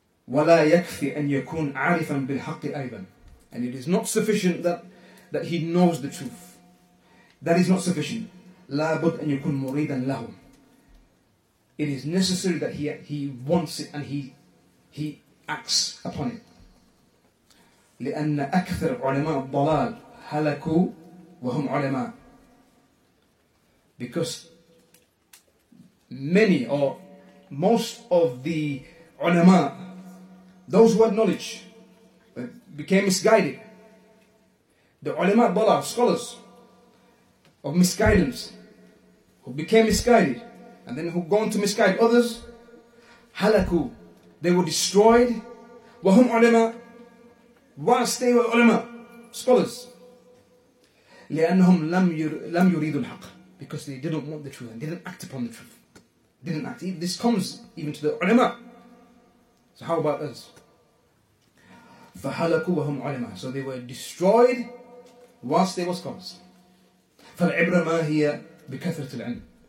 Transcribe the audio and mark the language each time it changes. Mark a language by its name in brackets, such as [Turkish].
[Arabic] وَلَا يَكْفِي أَنْ يَكُونَ عَارِفًا بِالْحَقِّ أَيْضًا. [English] And it is not sufficient that he knows the truth. That is not sufficient. [Arabic] لَا بُدْ أَنْ يَكُونَ مُرِيدًا لَهُمْ. [English] It is necessary that he wants it and he acts upon it. [Arabic] لأن أكثر علماء الضلال هلكوا وهم علماء. [English] Because many or most of the علماء, those who had knowledge, became misguided. The [Arabic] علماء الضلال, [English] scholars of misguidance, who became misguided, and then who gone to misguide others, halaku, they were destroyed, wahum ulama, whilst they were ulama, scholars, [Arabic] لأنهم لم يريدوا الحق, [English] because they didn't want the truth, and didn't act upon the truth, didn't act. This comes even to the ulama. So how about us? [Arabic] فهلكوا وهم علماء. [English] So they were destroyed whilst they were scholars. [Arabic] فالعبرة ما هي بكثرة العلم.